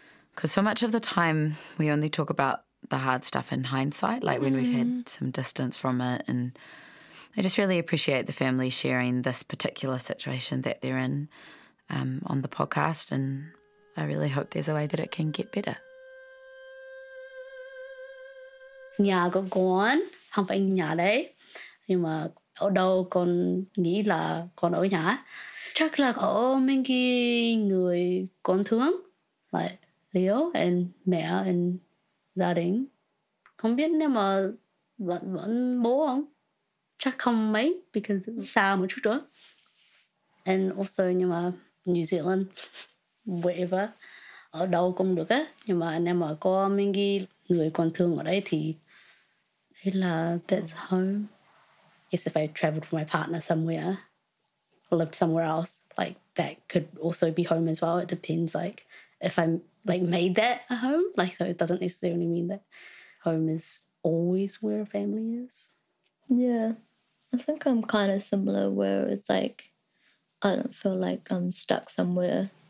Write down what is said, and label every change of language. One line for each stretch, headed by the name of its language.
English: Because so much of the time we only talk about the hard stuff in hindsight, like when we've had some distance from it. And I just really appreciate the family sharing this particular situation that they're in on the podcast, and I really hope there's a way that it can get better.
Vietnamese: Nhà của con không phải nhà đấy, nhưng mà ở đâu con nghĩ là con ở nhà chắc là có mấy cái người con thương, like Leo and mẹ and gia đình, không biết nếu mà vẫn bố không, chắc không mấy, because xa một chút nữa.
English: And also
Vietnamese: nhưng mà New Zealand wherever ở đâu cũng được á, nhưng mà nếu mà có mấy cái người con thương ở đấy thì
English: that's home. I guess if I traveled with my partner somewhere or lived somewhere else, like that could also be home as well. It depends, like if I'm like made that a home, like, so it doesn't necessarily mean that home is always where a family is. Yeah, I think I'm kind of similar, where it's like I don't feel like I'm stuck somewhere.